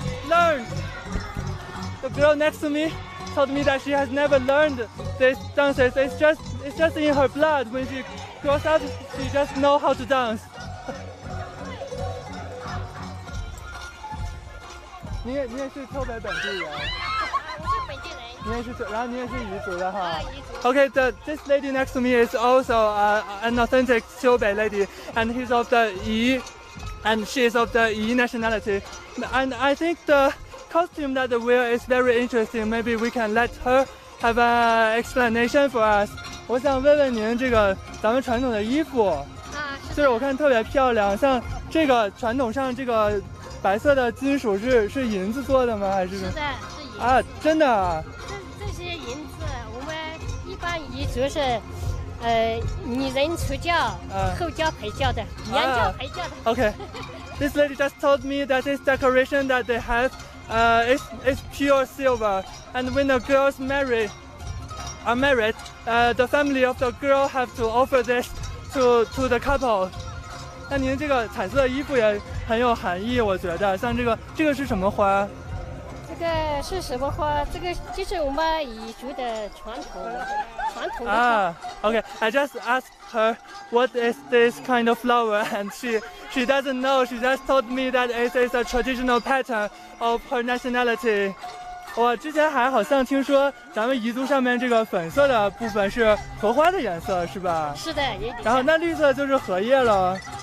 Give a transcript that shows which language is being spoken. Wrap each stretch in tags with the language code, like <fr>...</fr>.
<en>a girl next to me told me that she has never learned this dance. It's just in her blood. When she grows up, she just knows how to dance.</en> <zh>你也是秋北本地人，你也是，然后你也是彝族的哈。</zh> <en>Okay, this lady next to me is also an authentic 秋北 lady, and he's of the 彝, and she is of the 彝 nationality. And I think the costume that they wear is very interesting. Maybe we can let her have an explanation for us.</en> <zh>我想问问您这个咱们传统的衣服，就是我看特别漂亮，像这个传统上这个。白色的金属是银子做的吗？还是是的，是银子啊，真的。这些银子，我们一般彝族是，女人出嫁，后嫁陪嫁的，娘嫁陪嫁的。</zh> <en>Okay, this lady just told me that this decoration that they have, is pure silver. And when a girl's married, the family of the girl have to offer this to the couple.</en> <zh>那您这个彩色的衣服也。很有含义，我觉得像这个是什么花？这个是什么花？这个就是我们彝族的传统的花。</zh> <en>Okay, I just asked her what is this kind of flower, and she doesn't know. She just told me that it is a traditional pattern of her nationality.</en> <zh>我之前还好像听说咱们彝族上面这个粉色的部分是荷花的颜色，是吧？是的，有点像。然后那绿色就是荷叶了。</zh>